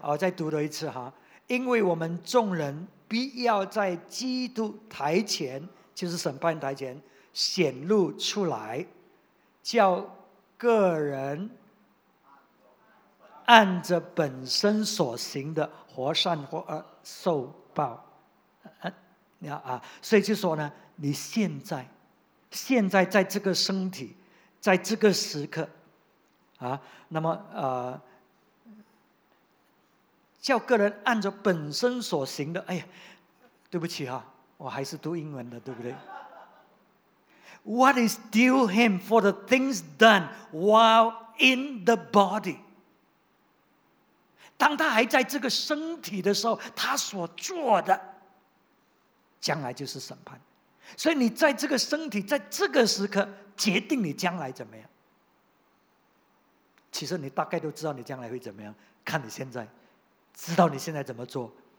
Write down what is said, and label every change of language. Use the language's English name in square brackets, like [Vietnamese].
[Chinese] 我再读了一次哈。因为我们众人必要在基督台前，就是审判台前显露出来，叫个人按着本身所行的或善或恶受报，所以就说呢，你现在在这个身体，在这个时刻啊，那么叫个人按着本身所行的，哎呀，对不起哈，我还是读英文的，对不对？ [English] What is due him for the things done while in the body? [Chinese] 当他还在这个身体的时候，他所做的将来就是审判。所以你在这个身体，在这个时刻决定你将来怎么样。其实你大概都知道你将来会怎么样，看你现在，知道你现在怎么做。